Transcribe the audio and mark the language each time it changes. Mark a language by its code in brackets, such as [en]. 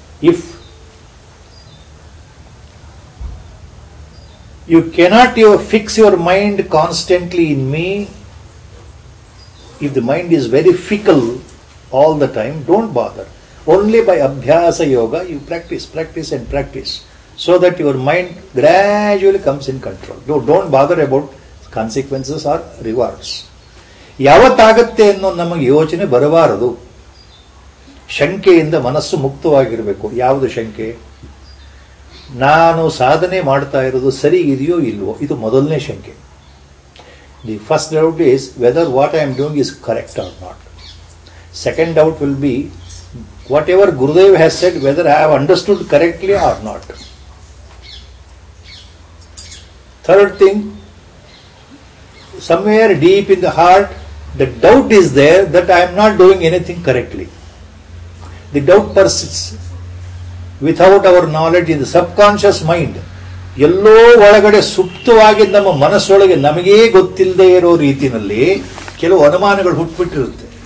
[en] If you cannot you fix your mind constantly in me, if the mind is very fickle all the time, don't bother. Only by ಅಭ್ಯಾಸ yoga you practice, practice and practice, so that your mind gradually comes in control. Don't bother about consequences or rewards. [kn] ಯಾವತ್ತಾಗತ್ತೆ ಅನ್ನೋ ನಮಗೆ ಯೋಚನೆ ಬರಬಾರದು. ಶಂಕೆಯಿಂದ ಮನಸ್ಸು ಮುಕ್ತವಾಗಿರಬೇಕು. ಯಾವುದು ಶಂಕೆ? ನಾನು ಸಾಧನೆ ಮಾಡ್ತಾ ಇರೋದು ಸರಿ ಇದೆಯೋ ಇಲ್ವೋ, ಇದು ಮೊದಲನೇ ಶಂಕೆ. [en] The first doubt is whether what I am doing is correct or not. Second doubt will be whatever Gurudev has said, whether I have understood correctly or not. Third thing, somewhere deep in the heart, the doubt is there that I am not doing anything correctly. The doubt persists. Without our knowledge in the subconscious mind, [kn] ಎಲ್ಲೋ ಒಳಗಡೆ ಸುಪ್ತವಾಗಿ ನಮ್ಮ ಮನಸ್ಸೊಳಗೆ ನಮಗೇ ಗೊತ್ತಿಲ್ಲದೆ ಇರೋ ರೀತಿಯಲ್ಲಿ ಕೆಲವು ಅನುಮಾನಗಳು ಹುಟ್ಟುಬಿಟ್ಟಿರುತ್ತೆ.